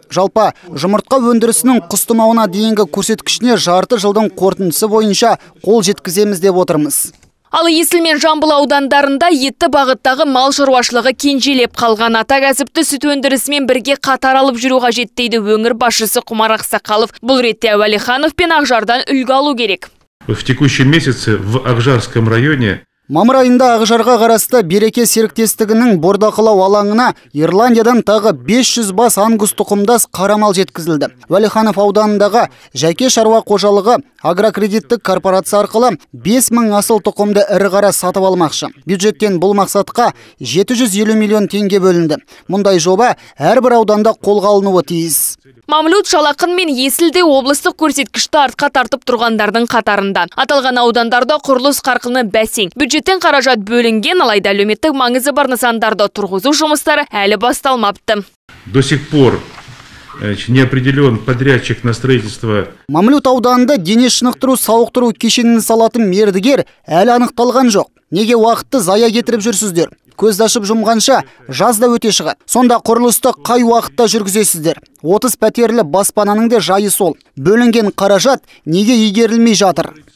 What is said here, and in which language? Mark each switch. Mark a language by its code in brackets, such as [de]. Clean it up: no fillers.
[kk] Жалпы жұмыртқа өндірісінің құс тұмауына дейінгі көрсеткішіне жарты жылдың қорытындысы бойынша қол жеткіземіз деп отырмыз. Ал Есіл мен Жамбыл аудандарында етті бағыттағы мал шаруашылығы кенжелеп қалған. Ата кәсіпті сүт өндірісімен бірге қатар алып жүру қажет дейді өңір басшысы Құмар Ақсақалов. Бұл ретте Әуелиханов пен Ақжардан үлгі алу керек. [ru] В текущем месяце в Ақжарском районе [kk] мамыр айында Ақжарға қарасты береке серіктестігінің бордақылау алаңына Ирландиядан тағы 500 бас ангус тұқымдас қарамал жеткізілді. Уәлиханов ауданындағы жәке шаруа қожалығы агрокредиттік корпорация арқылы 5000 асыл тұқымды ірі қара сатып алмақшы. Бюджеттен бұл мақсатқа 750 миллион теңге бөлінді. Мұндай жоба әрбір ауданда қолға алынуы тиіс. Мамлют, Шалақын мен Есілде облыстық көрсеткішті артқа тартып тұрғандардың қатарында. Аталған аудандарда құрылыс қарқыны бәсең. Бюджеттен қаражат бөлінген, алайда әлеуметтік маңызы бар нысандарды тұрғызу жұмыстары әлі басталмапты. [ru] До сих пор неопределен подрядчик на строительство. [kk] Мамлют ауданында дене шынықтыру сауықтыру кешенін салатын мердігер әлі анықталған жоқ. Неге уақытты зая кетіріп жүрсіздер? Көзді ашып жұмғанша жазда өте шығады. Сонда құрылысты қай уақытта жүргізесіздер? 30 пәтерлі баспананың да жайы сол. Бөлінген қаражат неге игерілмей жатыр?